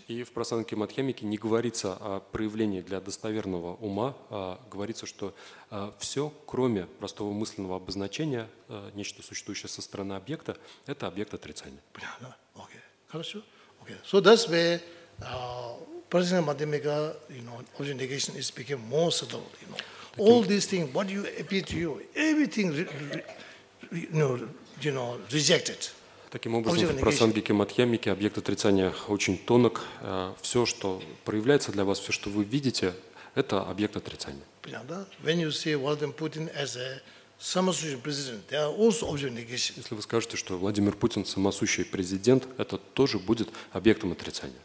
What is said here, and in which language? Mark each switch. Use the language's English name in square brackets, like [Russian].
[Russian] И в Прасанге Мадхьямике не говорится о проявлении для достоверного ума, говорится, что все, кроме простого мысленного обозначения, нечто существующее со стороны объекта, это объект отрицания. Понятно. Okay. Хорошо. Okay. [English] So that's where Prasanga Madhyamika, you know, object negation is became more subtle. You know, all these things, what you appear to you, everything, you know, rejected. [Russian] Таким образом, в Прасангике Мадхьямике объект отрицания очень тонок. Все, что проявляется для вас, все, что вы видите, это объект отрицания. Понятно, да? [English] When you see Владимир Путин as a [Russian] самосущий президент, [English] there are also object negation. [Russian] Если вы скажете, что Владимир Путин самосущий президент, это тоже будет объектом отрицания.